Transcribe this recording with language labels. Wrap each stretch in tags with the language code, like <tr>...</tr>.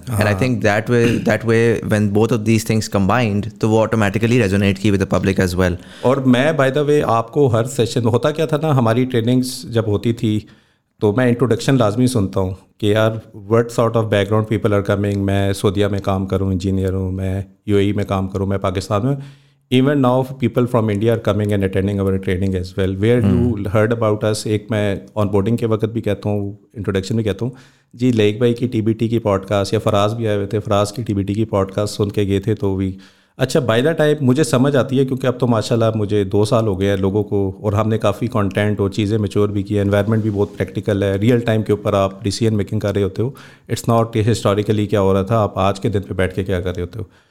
<en>and I think that way when both of these things combined,</en> <hi>तो वो automatically resonate की</hi> <en>With the public as well.</en> <hi>और मैं by the way आपको हर session होता क्या था ना, हमारी ट्रेनिंग्स जब होती थी तो मैं इंट्रोडक्शन लाजमी सुनता हूँ कि यार</hi> <en>What sort of background people are coming.</en> <hi>मैं सऊदीया में काम करूँ, इंजीनियर हूँ, मैं UAE में काम करूँ, मैं पाकिस्तान में.</hi> <en>Even now, people from India are coming and attending our training as well. Where you heard about us,</en> <hi>एक मैं onboarding के वक्त भी कहता हूँ, introduction भी कहता हूँ, जी Laeeq भाई की TBT की podcast, या फराज भी आए हुए थे, फराज की TBT की podcast सुन के गए थे, तो वी अच्छा बाय द टाइप मुझे समझ आती है, क्योंकि अब तो माशाल्लाह मुझे 2 साल हो गए हैं लोगों को, और हमने काफ़ी कंटेंट और चीज़ें मैच्योर भी की है, एनवायरनमेंट भी बहुत प्रैक्टिकल है, रियल टाइम के ऊपर आप डिसीजन मेकिंग कर रहे होते हो,</hi> <en>it's not historically</en> <hi>क्या हो रहा था, आप आज के दिन पर बैठ के क्या कर रहे होते हो।</hi>